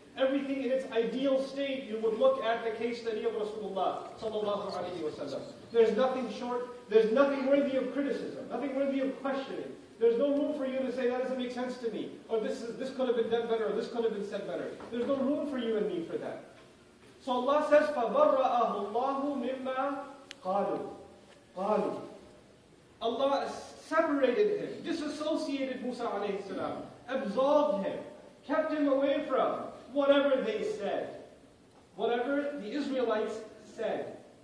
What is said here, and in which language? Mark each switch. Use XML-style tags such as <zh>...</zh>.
<en>Everything in its ideal state, you would look at the case study of Rasulullah sallallahu alayhi wa sallam. There's nothing short, there's nothing worthy of criticism, nothing worthy of questioning. There's no room for you to say, that doesn't make sense to me, or this could have been done better, or this could have been said better. There's no room for you and me for that. So Allah says,</en> <ar>فَبَرَّأَهُ اللَّهُ مِمَّا قَالُوا. قَالُوا.</ar> <en>Allah separated him, disassociated Musa alayhi salam, absolved him, kept him away from whatever they said. Whatever the Israelites said.</en>